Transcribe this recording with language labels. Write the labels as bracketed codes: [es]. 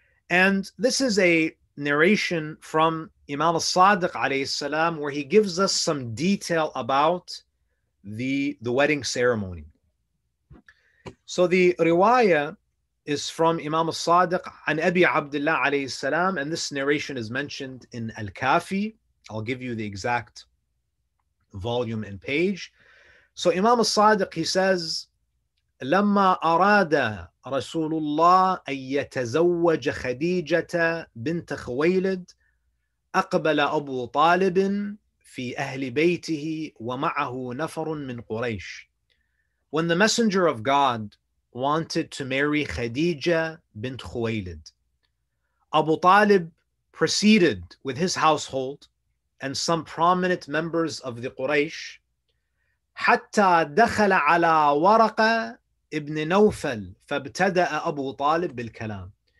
[en] And this is a narration from Imam al-Sadiq alayhi salam, where he gives us some detail about the wedding ceremony. So the riwayah is from Imam al-Sadiq an Abi Abdullah alayhi salam, and this narration is mentioned in Al-Kafi. I'll give you the exact volume and page. So Imam al-Sadiq, he says, [ar] لَمَّا أَرَادَ رَسُولُ اللَّهِ أَن يَتَزَوَّجَ خَدِيجَةَ بِنْتَ خُوَيْلِدٍ أَقْبَلَ أَبُو طَالِبٍ فِي أَهْلِ بَيْتِهِ وَمَعَهُ نَفَرٌ مِّنْ قُرَيْشٍ. [en] When the Messenger of God wanted to marry Khadija bint Khuwaylid, Abu Talib proceeded with his household and some prominent members of the Quraysh. [ar] حَتَّى دَخَلَ عَلَىٰ وَرَقَ ابن نوفل فَابْتَدَأَ أَبُو طَالِبِ بِالْكَلَامِ.